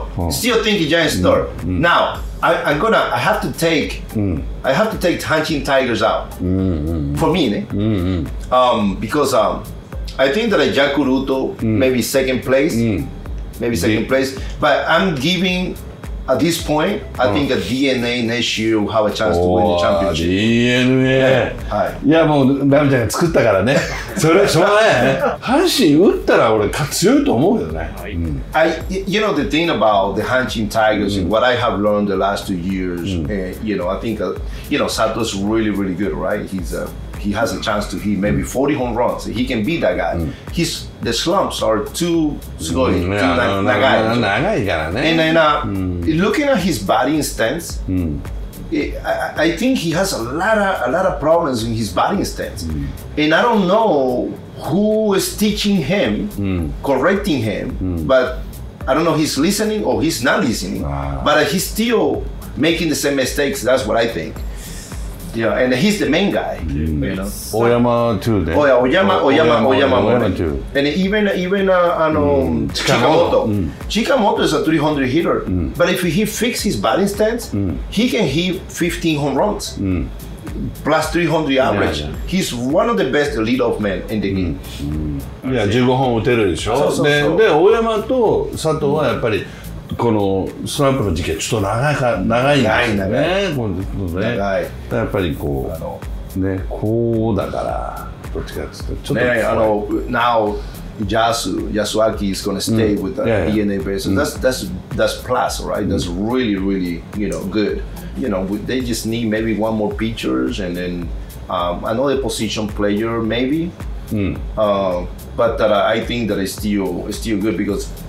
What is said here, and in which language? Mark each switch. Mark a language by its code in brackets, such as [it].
[en] Still think Giants third. Now, I have to take Hanshin Tigers out. For me, [ja] ne? [en] Because I think that Yakuruto, maybe second place. But I'm giving at this point, I think a DeNA next year will have a chance to win the championship. DeNA! Yeah. Yeah. [ja] いや、もう、ラミちゃんが作ったからね。それはしょうがないよね。阪神打ったら俺、強いと思うよね。はい。 [en] You know, the thing about the 阪神 Tigers,、mm. what I have learned the last 2 years,、mm. You know, I think, you know, Sato's really, really good, right? He's a... He has a chance to hit maybe 40 home runs. He can beat that guy. His, the slumps are too slow. And then, looking at his batting stance, I think he has a lot of problems in his batting stance. And I don't know who is teaching him, correcting him, but I don't know if he's listening or he's not listening. But he's still making the same mistakes. That's what I think. Yeah, and he's the main guy. Mm. You know? Oyama too, then. Oh yeah, Oyama. And even Chikamoto. Mm. Chikamoto is a 300 hitter. Mm. But if he fixes his batting stance, he can hit 15 home runs. Mm. Plus 300 average. Yeah, yeah. He's one of the best leadoff men in the game. Yeah, 15 home [ja] 打てるでしょ。で、Oyama と佐藤はやっぱり、このスランプの時期はちょっと長いんですよね。長い。やっぱりこう、ね、こうだから、どっちかっていうと、ちょっと。ね、 [en] Yasuaki is going to stay with the DeNA base. That's plus, right? That's really, really, you know, good. You know, they just need maybe one more pitchers and then、another position player, maybe.、But I think that it's still good because.